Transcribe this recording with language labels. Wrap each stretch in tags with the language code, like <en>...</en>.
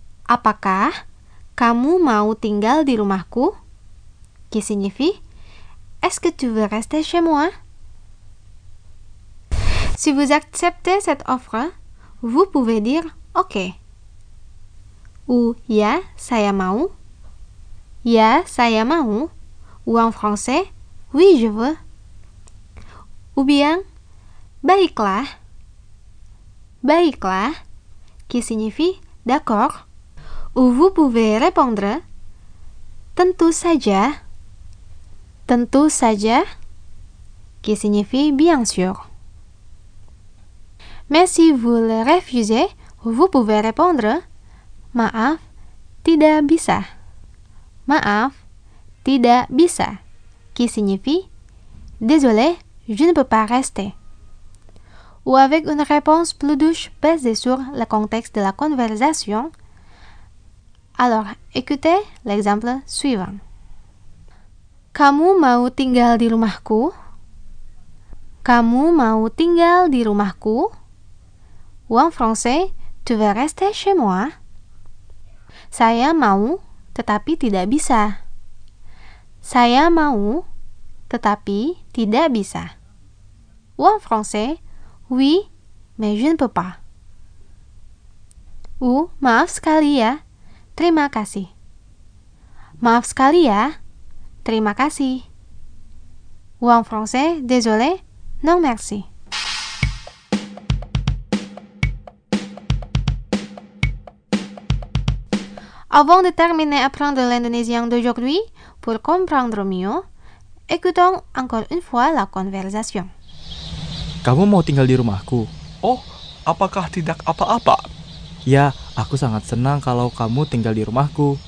<id>Apakah kamu mau tinggal di rumahku ?</id> <fr>Qui signifie Est-ce que tu veux rester chez moi? Si vous acceptez cette offre, vous pouvez dire OK.</fr> <id>Ou ya, saya mau. Ya, saya mau.</id> <fr>Ou en français, oui, je veux. Ou bien, baiklah. Baiklah, qui signifie d'accord. Ou vous pouvez répondre</fr> <id>tentu saja. Tentu saja,</id> <fr>qui signifie bien sûr. Mais si vous le refusez, vous pouvez répondre</fr> <id>Maaf, tidak bisa. Maaf, tidak bisa,</id> <fr>qui signifie Désolé, je ne peux pas rester. Ou avec une réponse plus douce basée sur le contexte de la conversation. Alors, écoutez l'exemple suivant.</fr> <id>Kamu mau tinggal di rumahku? Kamu mau tinggal di rumahku?</id> <fr>Ou en français, tu veux rester chez moi?</fr> <id>Saya mau, tetapi tidak bisa. Saya mau, tetapi tidak bisa.</id> <fr>Ou en français, oui, mais je ne peux pas.</fr> <id>Ou, maaf sekali ya. Terima kasih. Maaf sekali ya. Terima kasih.</id> <fr>Ou en français, désolé, non merci. Avant de terminer apprendre l'indonésien d'aujourd'hui, pour comprendre mieux, écoutons encore une fois la conversation.</fr> <id>Kamu mau tinggal di rumahku? Oh, apakah tidak apa-apa? Ya, aku sangat senang kalau kamu tinggal di rumahku.</id>